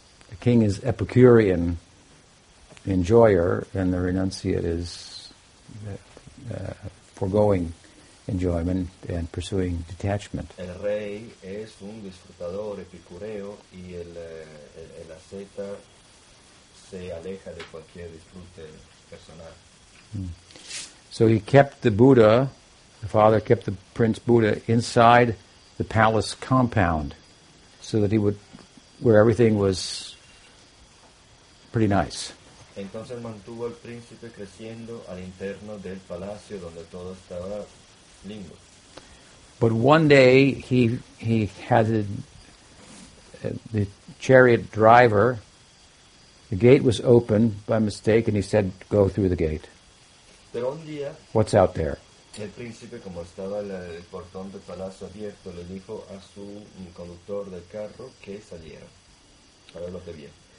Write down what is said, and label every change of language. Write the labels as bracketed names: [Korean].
[English] The king is Epicurean, the enjoyer, and the renunciate is foregoing enjoyment and pursuing detachment. [Spanish] El rey es un disfrutador epicureo y el aceita se aleja de cualquier disfrute personal. [English] So he kept the Buddha, the father kept the prince Buddha inside the palace compound so that he would, where everything was pretty nice. [Spanish] Entonces mantuvo al príncipe creciendo al interno del palacio donde todo estaba lindo. [English] But one day he had the chariot driver, the gate was open by mistake, and he said, go through the gate. [Spanish] Pero un día, [English] what's out there? [Spanish] El príncipe, como estaba el portón del palacio abierto, le dijo a su conductor del carro que saliera para ver lo que había.